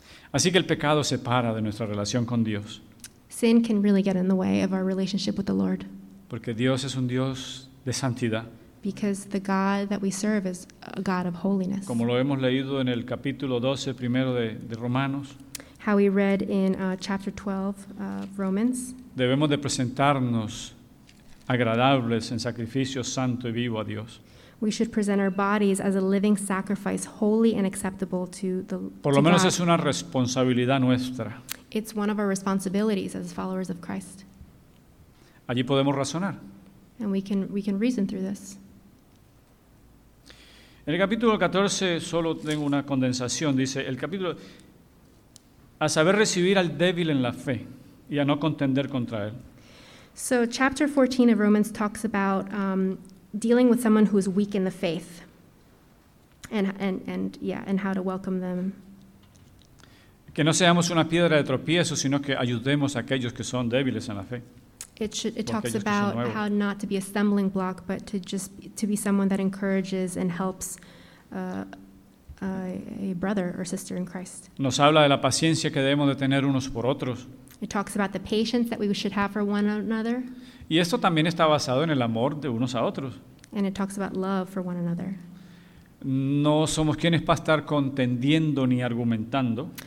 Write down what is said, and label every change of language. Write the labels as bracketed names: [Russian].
[Spanish] Así que el pecado separa de nuestra relación con Dios. [English] Sin can really get in the way of our relationship with the Lord. [Spanish] Porque Dios es un Dios de santidad. [English] Because the God that we serve is a God of holiness. [Spanish] Como lo hemos leído en el capítulo 12, primero de Romanos. [English] How we read in chapter 12 of Romans. [Spanish] Debemos de presentarnos agradables en sacrificio santo y vivo a Dios. [English] We should present our bodies as a living sacrifice, holy and acceptable to the Lord. [Spanish] Por lo menos es una responsabilidad nuestra. [English] It's one of our responsibilities as followers of Christ. [Spanish] Allí podemos razonar. [English] And we can reason through this. [Spanish] En el capítulo 14 solo tengo una condensación. Dice el capítulo a saber recibir al débil en la fe y a no contender contra él. [English] So chapter 14 of Romans talks about dealing with someone who is weak in the faith and how to welcome them. [Spanish] Que no seamos una piedra de tropiezo, sino que ayudemos a aquellos que son débiles en la fe. [English] It talks about how not to be a stumbling block, but to just to be someone that encourages and helps a brother or sister in Christ. [Spanish] Nos habla de la paciencia que debemos de tener unos por otros. [English] It talks about the patience that we should have for one another. [Spanish] Y esto también está basado en el amor de unos a otros. [English] And it talks about love for one another. [Spanish] No somos quienes para estar contendiendo ni argumentando.